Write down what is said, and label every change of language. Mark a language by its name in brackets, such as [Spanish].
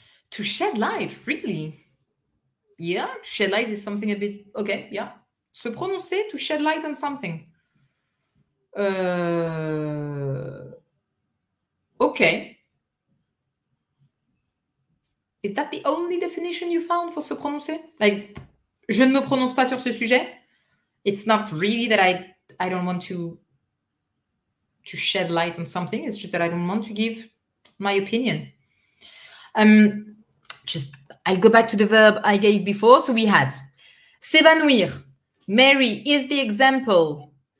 [English] To shed light, really? Yeah, shed light is something a bit... Okay, yeah. Se prononcer, to shed light on something. Okay. Is that the only definition you found for se prononcer? [French] Like, je ne me prononce pas sur ce sujet? [English] It's not really that I don't want to shed light on something. It's just that I don't want to give my opinion. I'll go back to the verb I gave before. So we had s'évanouir. Mary is the example.